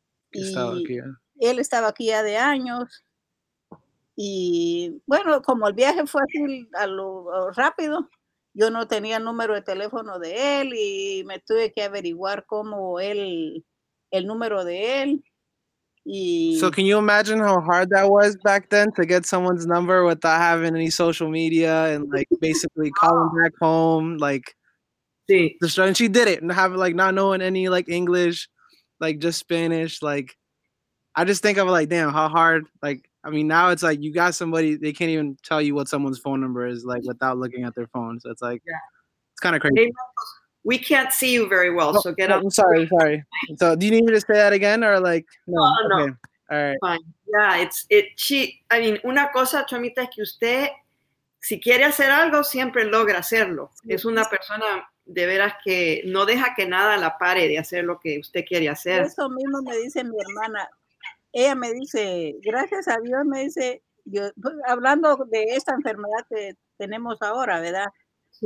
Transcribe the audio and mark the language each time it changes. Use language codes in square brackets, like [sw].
[es] Que estaba aquí, ¿eh? Él estaba aquí ya de años. Y bueno, como el viaje fue así a lo rápido, yo no tenía el número de teléfono de él y me tuve que averiguar cómo el número de él. Y [en] so can you imagine how hard that was back then to get someone's number without having any social media and like basically calling back home, like [es] sí. [en] And she did it and have like not knowing any like English, like just Spanish, like I just think of like damn how hard, like I mean, now it's like you got somebody, they can't even tell you what someone's phone number is like without looking at their phone. So it's like, yeah. It's kind of crazy. Hey, we can't see you very well, so get up. I'm sorry, sorry. So do you need me to say that again or like? No. Okay. All right. Fine. [es] Yeah, una cosa, Chomita, es que usted, si quiere hacer algo, siempre logra hacerlo. Sí. Es una persona de veras que no deja que nada la pare de hacer lo que usted quiere hacer. Eso mismo me dice mi hermana. Ella me dice, gracias a Dios, me dice, yo, hablando de esta enfermedad que tenemos ahora, ¿verdad? Sí.